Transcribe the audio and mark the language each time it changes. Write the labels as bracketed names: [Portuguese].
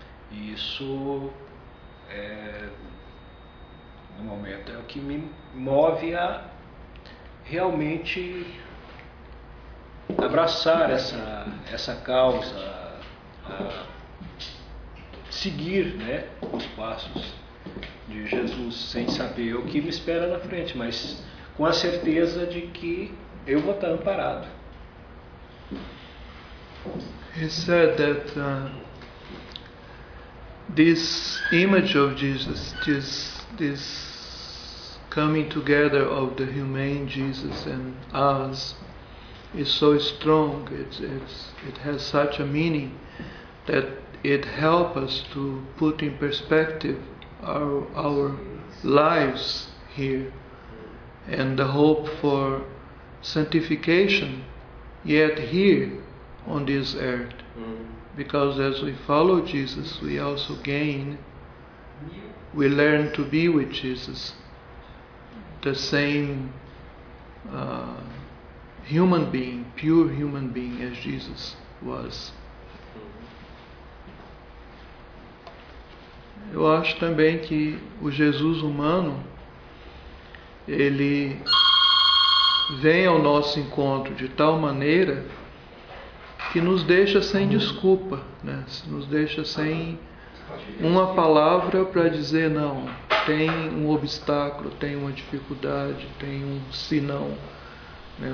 [Portuguese] Isso é, no momento, é o que me move a realmente abraçar essa causa, a seguir, né, os passos de Jesus, sem saber o que me espera na frente, mas com a certeza de que eu vou estar amparado. [English] He said that this image of Jesus, this coming together of the humane Jesus and us, is so strong. It has such a meaning that it helps us to put in perspective our lives here and the hope for sanctification yet here on this earth. Because as we follow Jesus, we also gain, we learn to be with Jesus, the same human being, pure human being as Jesus was. [Portuguese] Eu acho também que o Jesus humano, ele vem ao nosso encontro de tal maneira que nos deixa sem desculpa, né? Nos deixa sem uma palavra para dizer não, tem um obstáculo, tem uma dificuldade, tem um senão. Né?